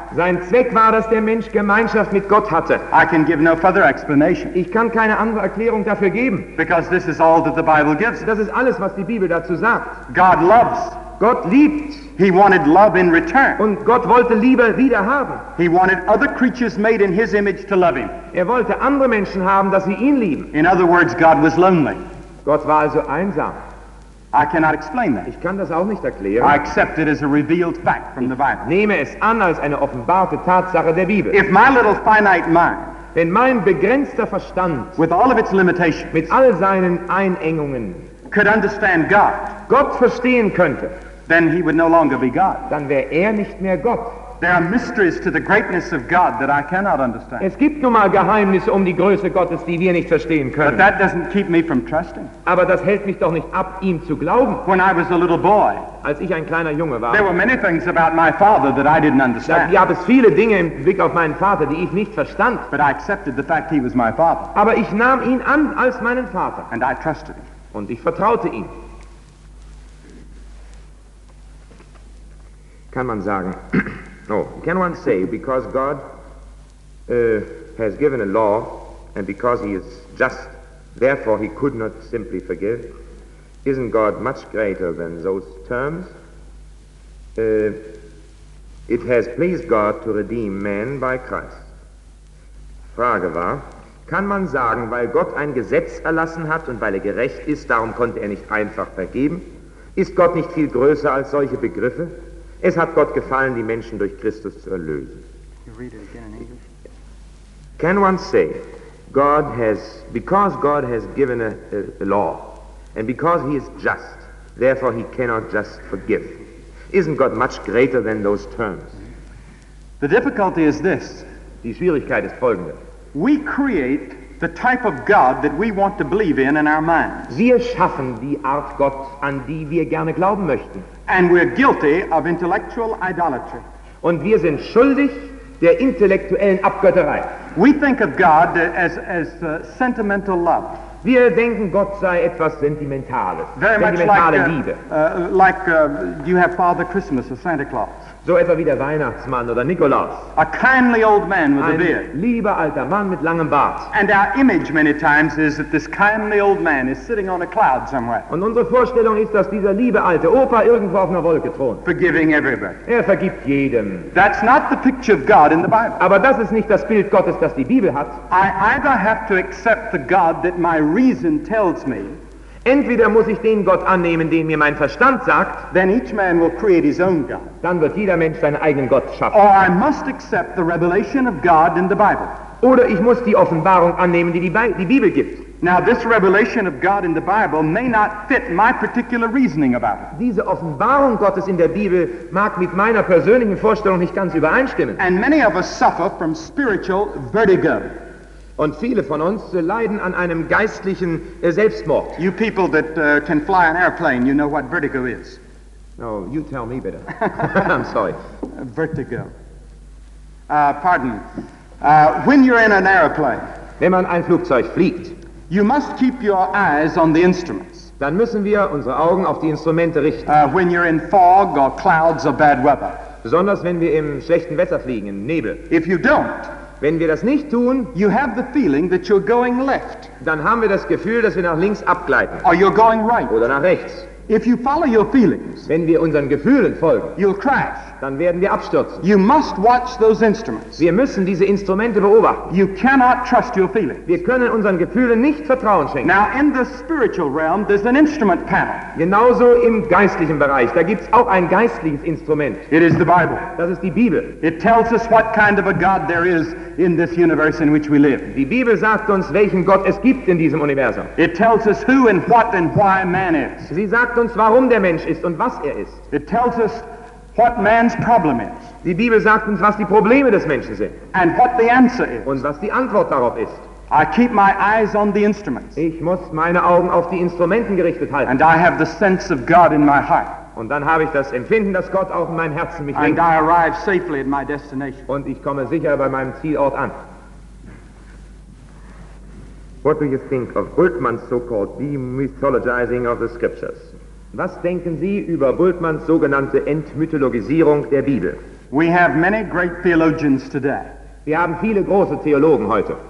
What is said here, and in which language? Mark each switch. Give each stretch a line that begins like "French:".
German: Sein Zweck war, dass der Mensch Gemeinschaft mit Gott hatte.
English: I can give no further explanation.
German: Ich kann keine andere Erklärung dafür geben.
English: Because this is all that the Bible gives.
German: Das ist alles, was die Bibel dazu sagt.
English: God loves.
German: Gott liebt.
English: He wanted love in return.
German: Und Gott wollte Liebe wieder haben.
English: He wanted other creatures made in his image to love him.
German: Er wollte andere Menschen haben, dass sie ihn lieben.
English: In other words, God was lonely.
German: Gott war also einsam.
English: I cannot explain that.
German: Ich kann das auch nicht erklären.
English: I accept it as a revealed fact from the Bible.
German: Nehme es an als eine offenbarte Tatsache der Bibel.
English: If my little finite mind,
German: wenn mein begrenzter Verstand,
English: with all of its limitations,
German: mit all seinen Einengungen,
English: could understand God,
German: Gott verstehen könnte,
English: then he would no longer be God.
German: Dann wäre nicht mehr Gott.
English: There are mysteries to the greatness of God that I cannot understand.
German: Es gibt nun mal Geheimnisse um die Größe Gottes, die wir nicht verstehen können.
English: But that doesn't keep me from trusting.
German: Aber das hält mich doch nicht ab, ihm zu glauben.
English: When I was a little boy,
German: als ich ein kleiner Junge war,
English: there were many things about my father that I didn't understand.
German: Da gab es viele Dinge im Blick auf meinen Vater, die ich nicht verstand.
English: But I accepted the fact he was my father.
German: Aber ich nahm ihn an als meinen Vater.
English: And I trusted him.
German: Und ich vertraute ihm. Kann man sagen,
English: can one say, because God has given a law, and because he is just, therefore he could not simply forgive, isn't God much greater than those terms? It has pleased God to redeem man by Christ.
German: Frage war, kann man sagen, weil Gott ein Gesetz erlassen hat und weil er gerecht ist, darum konnte er nicht einfach vergeben? Ist Gott nicht viel größer als solche Begriffe? Es hat Gott gefallen, die Menschen durch Christus zu erlösen.
English: You read it again in English. Can one say, God has, because God has given a law, and because he is just, therefore he cannot just forgive. Isn't God much greater than those terms? The difficulty is this.
German: Die Schwierigkeit ist folgende.
English: We create the type of God that we want to believe in our minds.
German: Wir schaffen die Art Gott, an die wir gerne glauben möchten.
English: And we're guilty of intellectual idolatry.
German: Und wir sind schuldig der intellektuellen Abgötterei.
English: We think of God as sentimental love.
German: Wir denken, Gott sei etwas Sentimentales,
English: very
German: sentimentale
English: much like
German: Liebe.
English: Like you have Father Christmas or Santa Claus.
German: So etwa wie der Weihnachtsmann oder Nikolaus.
English: A kindly old man with
German: ein
English: a beard.
German: Lieber alter Mann mit langem Bart.
English: And our image many times is that this kindly old man is sitting on a cloud somewhere.
German: Und unsere Vorstellung ist, dass dieser liebe alte Opa irgendwo auf einer Wolke thront.
English: Forgiving everybody.
German: Er vergibt jedem.
English: That's not the picture of God in the Bible.
German: Aber das ist nicht das Bild Gottes, das die Bibel hat.
English: I either have to accept the God that my reason tells me.
German: Entweder muss ich den Gott annehmen, den mir mein Verstand sagt,
English: then each man will create his own God.
German: Dann wird jeder Mensch seinen eigenen Gott schaffen.
English: Or I must accept the revelation of God in the Bible.
German: Oder ich muss die Offenbarung annehmen, die die Bibel gibt.
English: Now this revelation of God in the Bible may not fit my particular reasoning about it.
German: Diese Offenbarung Gottes in der Bibel mag mit meiner persönlichen Vorstellung nicht ganz übereinstimmen.
English: And many of us suffer from spiritual vertigo.
German: Und viele von uns leiden an einem geistlichen Selbstmord.
English: You people that can fly an airplane, you know what vertigo is. No, you tell me better. I'm sorry. Vertigo. Pardon. When you're in an airplane,
German: wenn man ein Flugzeug fliegt,
English: you must keep your eyes on the instruments.
German: Dann müssen wir unsere Augen auf die Instrumente richten.
English: When you're in fog or clouds or bad weather.
German: Besonders wenn wir im schlechten Wetter fliegen, im Nebel.
English: If you don't,
German: wenn wir das nicht tun,
English: you have the feeling that you're going left.
German: Dann haben wir das Gefühl, dass wir nach links abgleiten.
English: Or you're going right.
German: Oder nach rechts.
English: If you follow your feelings,
German: wenn wir unseren Gefühlen folgen,
English: you'll crash.
German: Dann werden wir abstürzen.
English: You must watch those instruments.
German: Wir müssen diese Instrumente beobachten.
English: You cannot trust your feelings.
German: Wir können unseren Gefühlen nicht Vertrauen schenken.
English: Now in the spiritual realm, there's an instrument panel.
German: Genauso im geistlichen Bereich, da gibt's auch ein geistliches Instrument.
English: It is the Bible.
German: Das ist die Bibel.
English: It tells us what kind of a God there is in this universe in which we live.
German: Die Bibel sagt uns, welchen Gott es gibt in diesem Universum.
English: It tells us who and what and why man is.
German: Sie sagt uns, warum der Mensch ist und was er ist.
English: It tells us what man's problem is.
German: Die Bibel sagt uns, was die Probleme des Menschen sind.
English: And what the answer is.
German: Und was die Antwort darauf ist.
English: I keep my eyes on the instruments.
German: Ich muss meine Augen auf die Instrumenten gerichtet halten.
English: And I have the sense of God in my heart.
German: Und dann habe ich das Empfinden, dass Gott auch in meinem Herzen mich lenkt.
English: And I arrive safely at my destination.
German: Und ich komme sicher bei meinem Zielort an.
English: What do you think of Bultmann's so-called demythologizing of the scriptures?
German: Was denken Sie über Bultmanns sogenannte Entmythologisierung der Bibel?
English: We have many great theologians today.
German: Wir haben viele große Theologen heute.